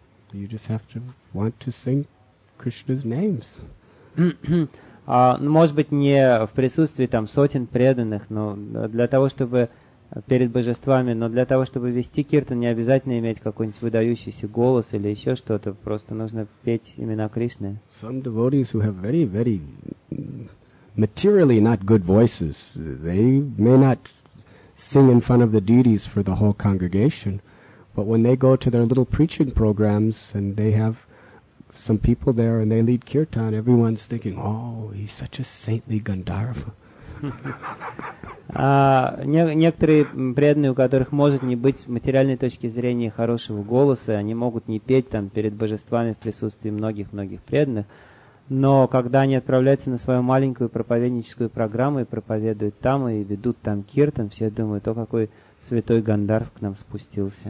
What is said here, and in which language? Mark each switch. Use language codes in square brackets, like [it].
[en] You just have to want to sing Krishna's names. [ru] Может быть, не в присутствии там сотен преданных, но для того, чтобы перед божествами, но для того, чтобы вести киртан, не обязательно иметь какой-нибудь выдающийся голос или еще что-то, просто нужно петь имена Кришны. [en] Some devotees who have very, very materially not good voices, they may not sing in front of the deities for the whole congregation, but when they go to their little preaching programs and they have some people there and they lead kirtan, everyone's thinking, oh, he's such a saintly Gandharva. [ru] Некоторые преданные, у которых может не быть с материальной точки зрения хорошего голоса, они могут не петь там перед божествами в присутствии многих-многих преданных, но когда они отправляются на свою маленькую проповедническую программу и проповедуют там, и ведут там киртан, все думают, о, какой святой Гандарв к нам спустился.